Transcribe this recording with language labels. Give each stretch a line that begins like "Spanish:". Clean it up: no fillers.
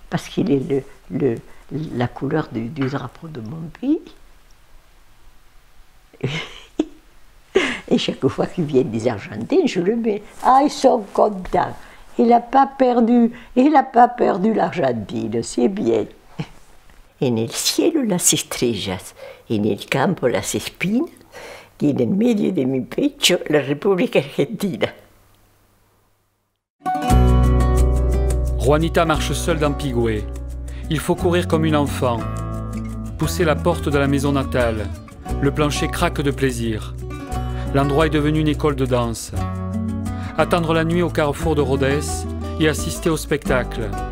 French: Parce qu'il est la couleur du drapeau de mon pays. Et chaque fois qu'ils viennent des Argentines, je le mets. Ah, ils sont contents! Il n'a pas perdu l'Argentine, c'est bien.
Spanish: En el cielo las estrellas, en el campo las espinas, y en el medio de mi pecho la República Argentina.
French: Juanita marche seule dans Pigüé. Il faut courir comme une enfant. Pousser la porte de la maison natale. Le plancher craque de plaisir. L'endroit est devenu une école de danse. Attendre la nuit au carrefour de Rodez et assister au spectacle.